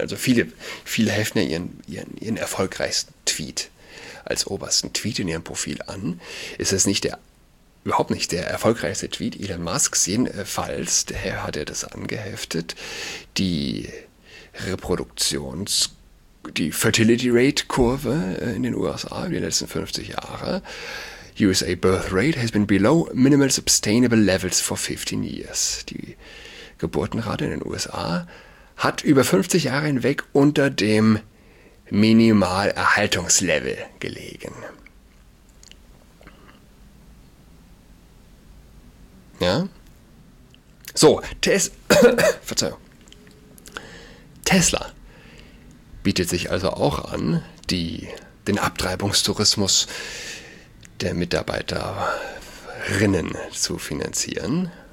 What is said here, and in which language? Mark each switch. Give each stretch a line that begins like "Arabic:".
German: Also viele heften ja ihren erfolgreichsten Tweet als obersten Tweet in ihrem Profil an. Ist es nicht überhaupt nicht der erfolgreichste Tweet Elon Musks, jedenfalls, daher hat er das angeheftet, die Fertility Rate Kurve in den USA in den letzten 50 Jahre.
English: USA Birth Rate has been below minimal sustainable levels for 15 years.
German: Die Geburtenrate in den USA hat über 50 Jahre hinweg unter dem Minimalerhaltungslevel gelegen. Ja. So, Tesla bietet sich also auch an, den Abtreibungstourismus der Mitarbeiterinnen zu finanzieren.